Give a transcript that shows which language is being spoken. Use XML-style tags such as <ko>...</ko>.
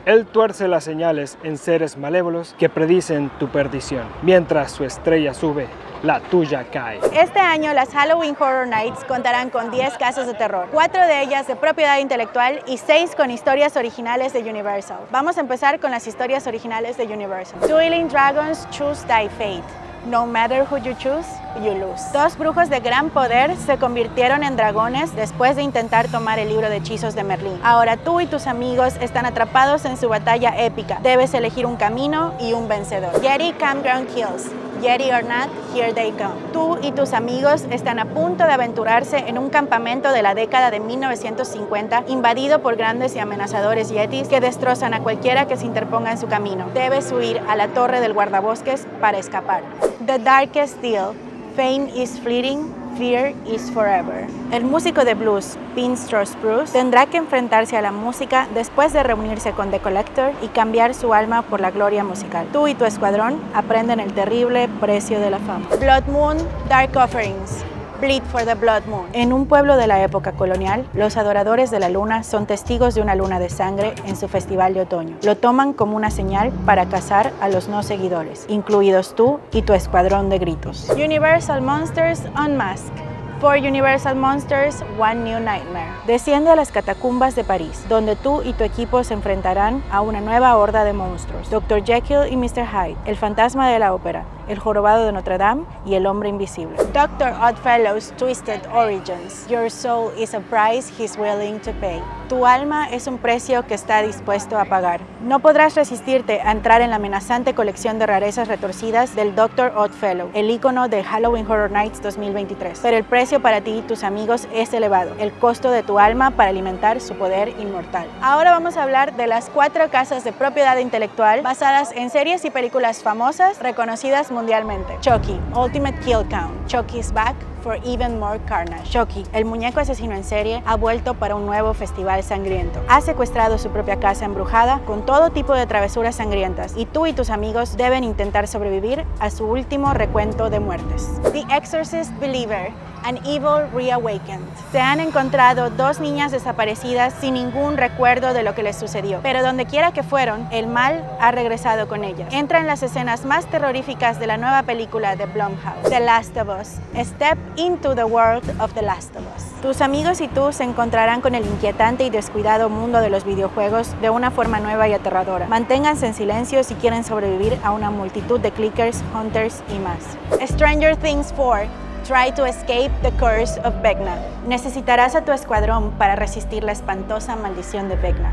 <es>Él tuerce las señales en seres malévolos que predicen tu perdición. Mientras su estrella sube, la tuya cae. Este año las Halloween Horror Nights contarán con 10 casas de terror, 4 de ellas de propiedad intelectual y 6 con historias originales de Universal. Vamos a empezar con las historias originales de Universal.</es> <en>Dueling Dragons Choose Thy Fate. No matter who you choose, you lose.</en> <es>Dos brujos de gran poder se convirtieron en dragones después de intentar tomar el libro de hechizos de Merlín. Ahora tú y tus amigos están atrapados en su batalla épica. Debes elegir un camino y un vencedor.</es> <en>Yeti Campground Kills. Yeti or not, here they come.</en> <es>Tú y tus amigos están a punto de aventurarse en un campamento de la década de 1950, invadido por grandes y amenazadores yetis que destrozan a cualquiera que se interponga en su camino. Debes huir a la torre del guardabosques para escapar.</es> <en>The Darkest Deal. Fame is fleeting, fear is forever.</en> <es>El músico de blues, Bing Stross Bruce, tendrá que enfrentarse a la música después de reunirse con The Collector y cambiar su alma por la gloria musical. Tú y tu escuadrón aprenden el terrible precio de la fama.</es> <en>Blood Moon, Dark Offerings. Bleed for the Blood Moon.</en> <es>En un pueblo de la época colonial, los adoradores de la luna son testigos de una luna de sangre en su festival de otoño. Lo toman como una señal para cazar a los no seguidores, incluidos tú y tu escuadrón de gritos.</es> <en>Universal Monsters Unmask. Four Universal Monsters, One New Nightmare.</en> <es>Desciende a las catacumbas de París, donde tú y tu equipo se enfrentarán a una nueva horda de monstruos. Dr. Jekyll y Mr. Hyde, el fantasma de la ópera, el jorobado de Notre Dame y el hombre invisible.</es> <en>Dr. Odd Fellow's Twisted Origins. Your soul is a price he's willing to pay.</en> <es>Tu alma es un precio que está dispuesto a pagar. No podrás resistirte a entrar en la amenazante colección de rarezas retorcidas del Dr. Odd Fellow, el ícono de Halloween Horror Nights 2023. Pero el precio para ti y tus amigos es elevado, el costo de tu alma para alimentar su poder inmortal. Ahora vamos a hablar de las 4 casas de propiedad intelectual basadas en series y películas famosas reconocidas mundialmente.</es> <en>Chucky, Ultimate Kill Count. Chucky's Back for Even More Carnage.</en> <es>Chucky, el muñeco asesino en serie, ha vuelto para un nuevo festival sangriento. Ha secuestrado su propia casa embrujada con todo tipo de travesuras sangrientas y tú y tus amigos deben intentar sobrevivir a su último recuento de muertes.</es> <en>The Exorcist Believer. An Evil Reawakened.</en> <es>Se han encontrado 2 niñas desaparecidas sin ningún recuerdo de lo que les sucedió. Pero donde quiera que fueron, el mal ha regresado con ellas. Entra en las escenas más terroríficas de la nueva película de Blumhouse.</es> <en>The Last of Us. Step into the world of The Last of Us.</en> <es>Tus amigos y tú se encontrarán con el inquietante y descuidado mundo de los videojuegos de una forma nueva y aterradora. Manténganse en silencio si quieren sobrevivir a una multitud de clickers, hunters y más.</es> <en>Stranger Things 4. Try to escape the curse of Vecna.</en> <es>Necesitarás a tu escuadrón para resistir la espantosa maldición de Vecna.</es>